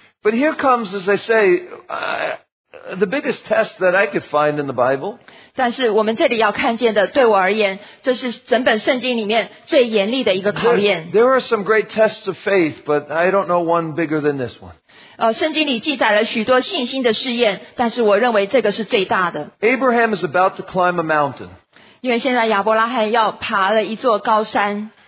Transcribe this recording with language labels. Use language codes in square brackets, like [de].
[en] But here comes, as I say, the biggest test that I could find in the Bible. [zh] 但是我们这里要看见的，对我而言，这是整本圣经里面最严厉的一个考验。 [en] There are some great tests of faith, but I don't know one bigger than this one. [zh] 圣经里记载了许多信心的试验，但是我认为这个是最大的。 [en] Abraham is about to climb a mountain. [zh] 因为现在亚伯拉罕要爬了一座高山。